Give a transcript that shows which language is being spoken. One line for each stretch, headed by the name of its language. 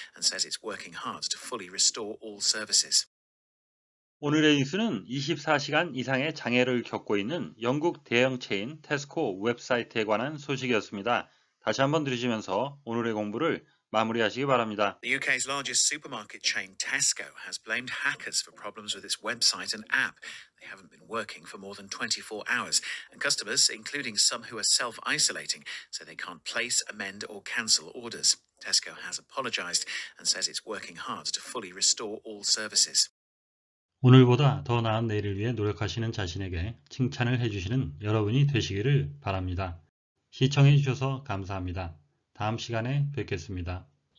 English: Tesco has apologized and says it's working hard to fully restore all services.
Korean: 오늘의 뉴스는 24시간 이상의 장애를 겪고 있는 영국 대형 체인 테스코 웹사이트에 관한 소식이었습니다. 다시 한번 들으시면서 오늘의 공부를 마무리하시기 바랍니다.
English: The UK's largest supermarket chain Tesco has blamed hackers for problems with its website and app. They haven't been working for more than 24 hours, and customers, including some who are self-isolating, so they can't place, amend, or cancel orders. Tesco has apologized and says it's working hard to fully restore all services.
Korean: 오늘보다 더 나은 내일을 위해 노력하시는 자신에게 칭찬을 해주시는 여러분이 되시기를 바랍니다. 시청해 주셔서 감사합니다. 다음 시간에 뵙겠습니다.